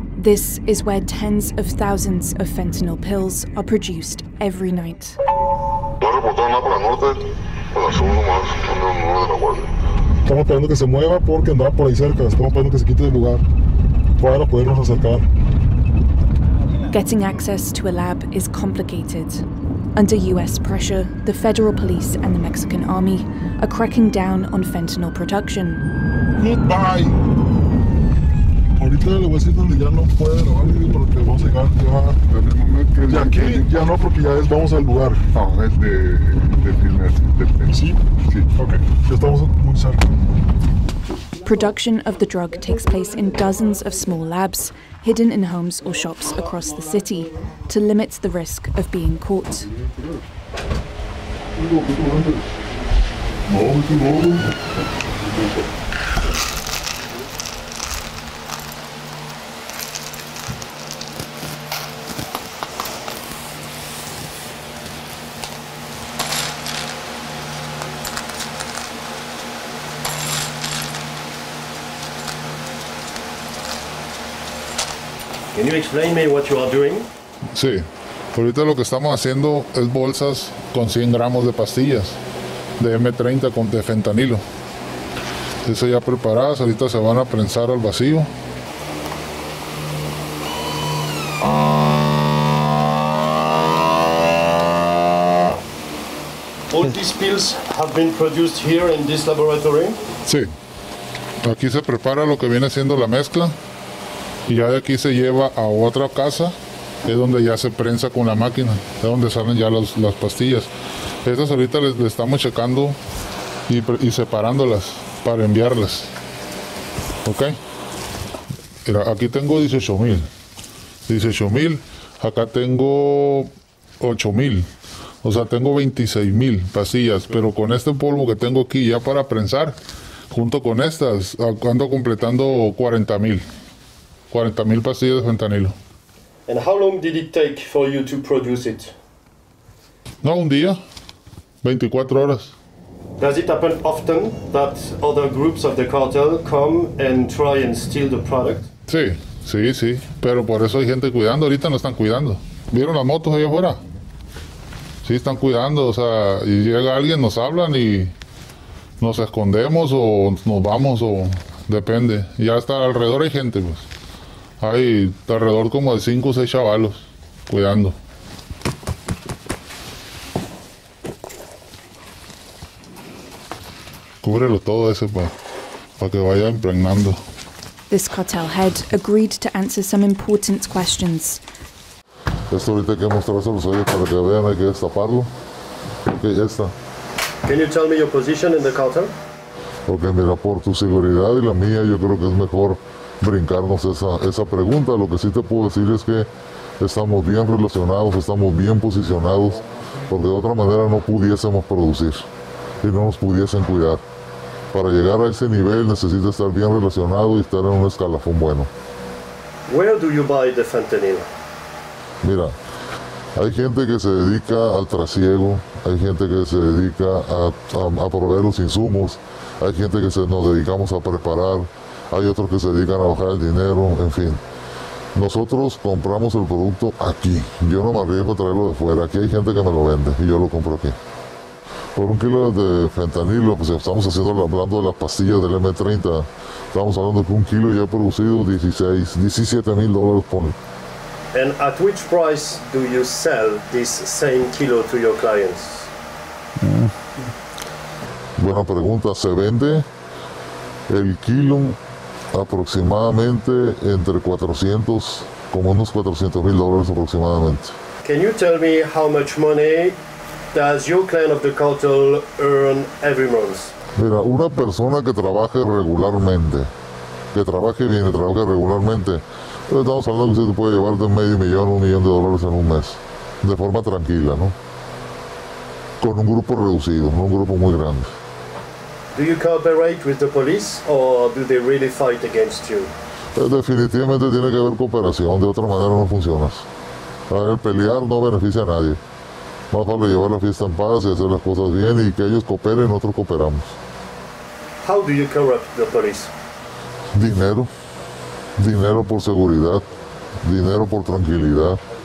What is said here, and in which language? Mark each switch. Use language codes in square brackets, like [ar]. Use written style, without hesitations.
[en] This is where tens of thousands of fentanyl pills are produced every night. [es] Estamos esperando que se mueva porque andaba por ahí cerca. Estamos esperando que se quite del lugar para podernos acercar. [en] Getting access to a lab is complicated. Under US pressure, the federal police and the Mexican army are cracking down on fentanyl production. Goodbye! [es] Ahorita le voy a decir donde ya no puede grabar, porque vamos a llegar ya. En el momento que. ¿Y aquí? Ya no, porque ya es, vamos al lugar. Ah, es de filmes. ¿Sí? Sí. Ok. Ya estamos muy cerca. [en] Production of the drug takes place in dozens of small labs, hidden in homes or shops across the city, to limit the risk of being caught. Can you explain me what you are doing? [es] Sí. Ahorita lo que estamos haciendo es bolsas con 100 gramos de pastillas de M30 con de fentanilo. Eso ya preparadas, ahorita se van a prensar al vacío. [en] All these pills have been produced here in this laboratory? [es] Sí. Aquí se prepara lo que viene siendo la mezcla. Y ya de aquí se lleva a otra casa, es donde ya se prensa con la máquina, es donde salen ya las pastillas. Estas ahorita le estamos checando y separándolas para enviarlas. ¿Ok? Mira, aquí tengo 18,000. 18,000. Acá tengo 8,000. O sea, tengo 26,000 pastillas, pero con este polvo que tengo aquí ya para prensar, junto con estas, ando completando 40,000. 40,000 pastillas de fentanilo. [en] And how long did it take for you to produce it? [es] No, un día. 24 horas. [en] Does it happen often that other groups of the cartel come and try and steal the product? [es] Sí, sí, sí. Pero por eso hay gente cuidando. Ahorita no están cuidando. ¿Vieron las motos allá afuera? Sí, están cuidando. O sea, y llega alguien, nos hablan y nos escondemos o nos vamos o depende. Ya está alrededor hay gente, pues. Hay alrededor como de 5 o 6 chavalos cuidando. Cúbrelo todo ese para que vaya impregnando. [en] This cartel head agreed to answer some important questions. [es] Esto ahorita hay que mostrarse los ojos para que vean, hay que destaparlo. Ok, ya está. [en] Can you tell me your position in the cartel? [es] Ok, mira, por tu seguridad y la mía, yo creo que es mejor brincarnos esa pregunta. Lo que sí te puedo decir es que estamos bien relacionados, estamos bien posicionados, porque de otra manera no pudiésemos producir y no nos pudiesen cuidar. Para llegar a ese nivel necesitas estar bien relacionado y estar en un escalafón bueno. [en] Where do you buy the fentanyl? [es] Mira, hay gente que se dedica al trasiego, hay gente que se dedica a proveer los insumos, hay gente que nos dedicamos a preparar, hay otros que se dedican a bajar el dinero, en fin. Nosotros compramos el producto aquí. Yo no me arriesgo a traerlo de fuera. Aquí hay gente que me lo vende y yo lo compro aquí. Por un kilo de fentanilo, pues estamos hablando de las pastillas del M30, estamos hablando de que un kilo ya ha producido $16,000-$17,000, pone. [en] And at which price do you sell this same kilo to your clients? [es] Buena pregunta. Se vende el kilo aproximadamente entre unos $400,000 aproximadamente. [en] Can you tell me how much money does your client of the cartel earn every month? [es] Mira, una persona que trabaje regularmente, que trabaje bien, que trabaje regularmente, estamos hablando que se te puede llevar de $500,000 a $1,000,000 en un mes, de forma tranquila, ¿no? Con un grupo reducido, un grupo muy grande. [en] Do you cooperate with the police or do they really fight against you? [es] Definitivamente tiene que haber cooperación, de otra manera no funcionas. El pelear no beneficia a nadie. Más vale llevar la fiesta en paz y hacer las cosas bien y que ellos cooperen, nosotros cooperamos. [en] How do you corrupt the police? [es] Dinero. Dinero por seguridad. Dinero por tranquilidad.